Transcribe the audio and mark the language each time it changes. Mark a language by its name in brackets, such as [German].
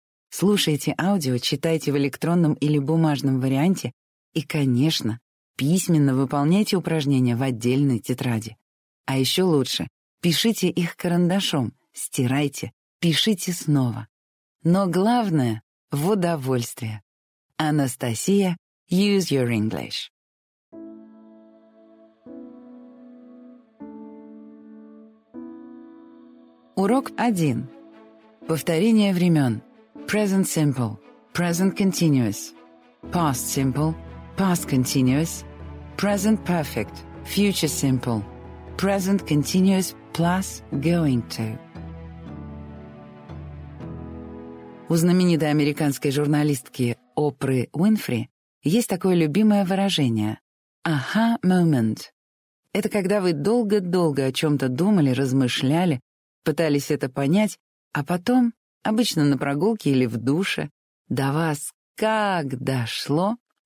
[Russian] Слушайте аудио, читайте в электронном или бумажном варианте и, конечно, письменно выполняйте упражнения в отдельной тетради. А еще лучше — пишите их карандашом, стирайте, пишите снова. Но главное — в удовольствие. [English] Анастасия, use your English. [Russian] Урок 1. Повторение времен. [English] Present simple, present continuous. Past simple, past continuous. Present perfect, future simple. Present continuous plus going to. [Russian] У знаменитой американской журналистки Опры Уинфри есть такое любимое выражение «aha moment». Это когда вы долго-долго о чем-то думали, размышляли, пытались это понять, а потом, обычно на прогулке или в душе, до вас как дошло.